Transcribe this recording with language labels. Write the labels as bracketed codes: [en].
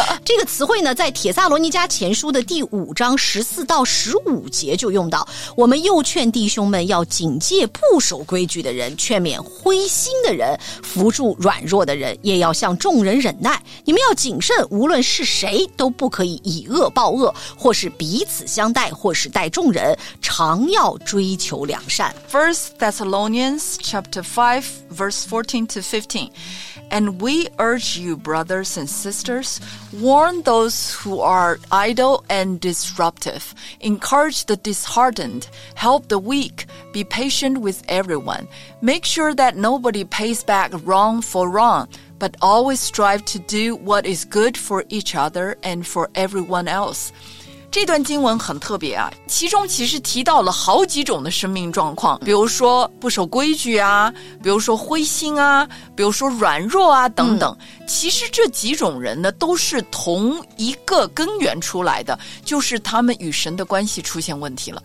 [zh] 这个词汇呢在帖撒罗尼迦前书的第五章14-15节就用到，我们又劝弟兄们要警戒不守规矩的人，劝勉灰心的人，扶助软弱的人，也要向众人忍耐，你们要谨慎，无论是谁都不可以以恶报恶，或是彼此相待，或是待众人，常要追求良善。 [en] First Thessalonians chapter 5 verse 14-15. And we urge you, brothers and sisters, warn those who are idle and disruptive, encourage the disheartened, help the weak, be patient with everyone. Make sure that nobody pays back wrong for wrong. But always strive to do what is good for each other and for everyone else. [zh] 这段经文很特别啊，其中其实提到了好几种的生命状况，比如说不守规矩啊，比如说灰心啊，比如说软弱啊等等。其实这几种人呢，都是同一个根源出来的，就是他们与神的关系出现问题了，